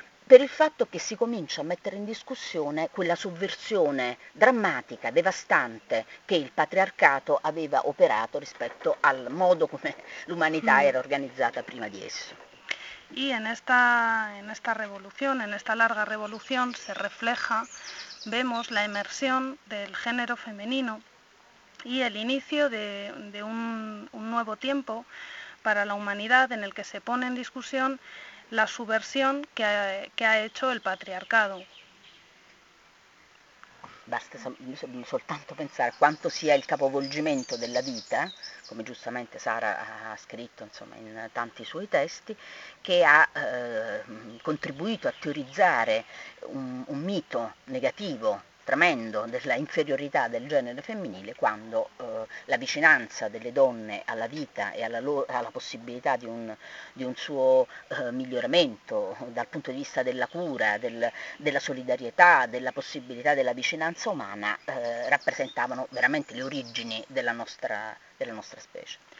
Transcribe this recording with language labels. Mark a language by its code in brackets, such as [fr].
[it] Per il fatto che si comincia a mettere in discussione quella sovversione drammatica, devastante, che il patriarcato aveva operato rispetto al modo come l'umanità era organizzata prima di esso. [es] Y en esta revolución, en esta larga revolución, se refleja, vemos la emersión del género femenino y el inicio de un nuevo tiempo para la humanidad en el que se pone en discusión la subversión que ha hecho el patriarcado. [it] Basta soltanto pensare quanto sia il capovolgimento della vita, come giustamente Sara ha scritto, insomma, in tanti suoi testi, che ha contribuito a teorizzare un mito negativo, tremendo, della inferiorità del genere femminile, quando la vicinanza delle donne alla vita e alla possibilità di un suo miglioramento dal punto di vista della cura, della solidarietà, della possibilità della vicinanza umana, rappresentavano veramente le origini della nostra specie.